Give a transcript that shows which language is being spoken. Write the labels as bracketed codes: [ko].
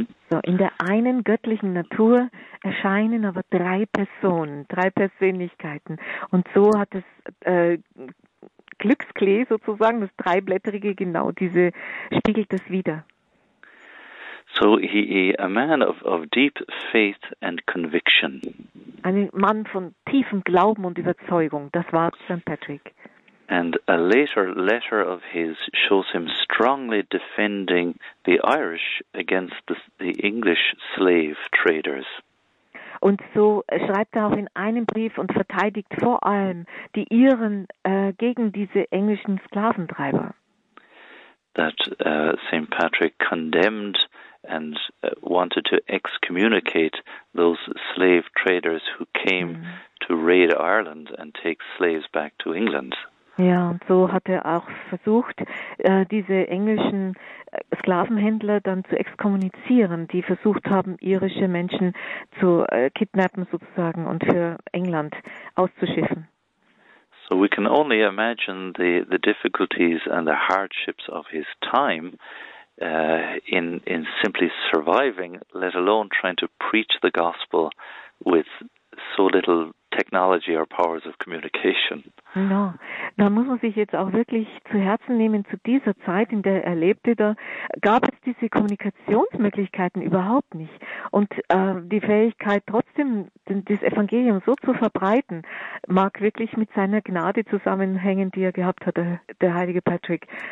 [de] So in der einen göttlichen Natur erscheinen aber drei Personen, drei Persönlichkeiten. Und so hat das Glücksklee sozusagen, das dreiblättrige, genau diese, spiegelt das wieder. [en] So he a man of deep faith and conviction. [de] Ein Mann von tiefem Glauben und Überzeugung, das war St. Patrick. [en] And a later letter of his shows him strongly defending the Irish against the English slave traders. [de] Und so schreibt er auch in einem Brief und verteidigt vor allem die Iren gegen diese englischen Sklaventreiber. [en] That St. Patrick condemned and wanted to excommunicate those slave traders who came to raid Ireland and take slaves back to England. [de] Ja, und so hat er auch versucht, diese englischen Sklavenhändler dann zu exkommunizieren, die versucht haben, irische Menschen zu kidnappen sozusagen und für England auszuschiffen. [en] So we can only imagine the difficulties and the hardships of his time in simply surviving, let alone trying to preach the gospel with so little technology or powers of communication. [de] Ja, da muss man sich jetzt auch wirklich zu Herzen nehmen, zu dieser Zeit, in der er lebte, da gab es diese Kommunikationsmöglichkeiten überhaupt nicht. Und die Fähigkeit trotzdem, das Evangelium so zu verbreiten, mag wirklich mit seiner Gnade zusammenhängen, die er gehabt hat, der heilige Patrick.